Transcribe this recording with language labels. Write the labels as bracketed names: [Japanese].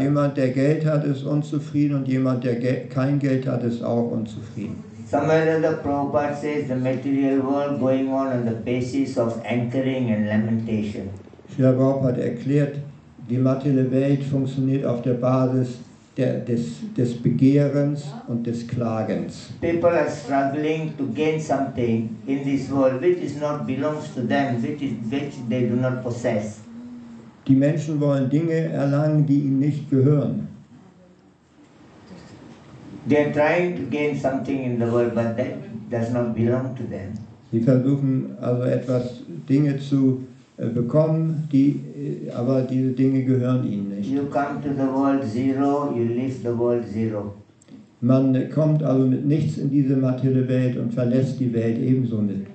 [German] Jemand, der Geld hat, ist unzufrieden und jemand, der kein Geld hat, ist auch unzufrieden. [English] Somewhere in the Prabhupada says the material world going on the basis of anchoring and lamentation. [German] Srila Prabhupada erklärt, die materielle Welt funktioniert auf der Basis des Begehrens und des Klagens. [English] People are struggling to gain something in this world which is not belongs to them, which they do not possess. [German] Die Menschen wollen Dinge erlangen, die ihnen nicht gehören. [English] They are trying to gain something in the world, but that does not belong to them. [German] Sie versuchen also etwas, Dinge zu bekommen, die, aber diese Dinge gehören ihnen nicht. [English] You come to the world zero, you leave the world zero. [German] Man kommt also mit nichts in diese materielle Welt und verlässt die Welt ebenso mit